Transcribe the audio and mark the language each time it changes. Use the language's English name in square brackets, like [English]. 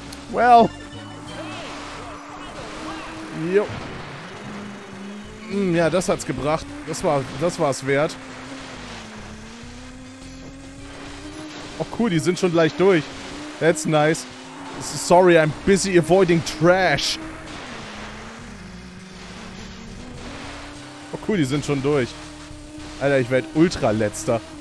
[English] Well. Jo. [German] Ja, das hat's gebracht. Das war's wert. Oh cool, die sind schon gleich durch. [English] That's nice. Sorry, I'm busy avoiding trash. [German] Oh cool, die sind schon durch. Alter, ich werde Ultraletzter.